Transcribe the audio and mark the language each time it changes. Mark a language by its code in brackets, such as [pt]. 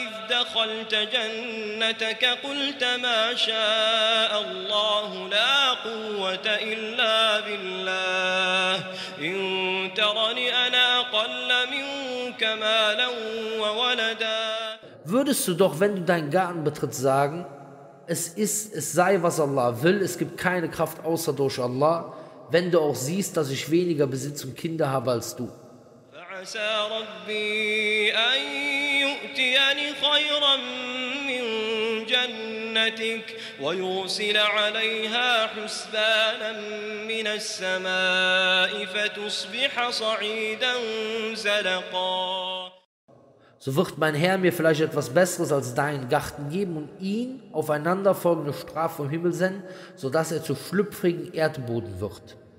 [ar] دخلت جنتك قلت ما شاء الله لا قوة إلا بالله إن ترني أنا أقل منك مالا وولدا. [de] Würdest du doch, wenn du deinen Garten betrittst, sagen, es sei, was Allah will, es gibt keine Kraft außer durch Allah, wenn du auch siehst, dass ich weniger Besitz und Kinder habe als du. [ar] فعسى ربي أن يؤتيني خيرا من جنتك ويرسل عليها حسبانا من السماء فتصبح صعيدا زلقا. [de] So wird mein Herr mir vielleicht etwas Besseres als deinen Garten geben und ihn aufeinanderfolgende Strafe vom Himmel senden, sodass er zu schlüpfrigen Erdboden wird.